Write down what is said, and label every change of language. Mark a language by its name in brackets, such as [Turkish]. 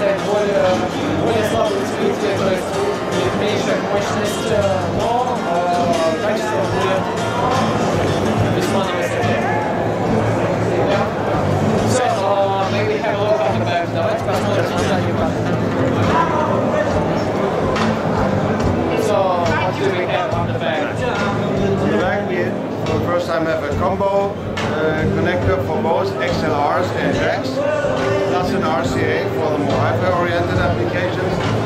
[Russian] Более слабые усилители, то есть будет меньшая мощность, но качество будет весьма на высоте. [English] Yeah. So, maybe have a look at the back. [Russian] Давайте посмотрим на задний план. [English] So, what do we have on the back? For the first time, have a combo connector for both XLRs and jacks, plus an RCA for the more hyper-oriented applications.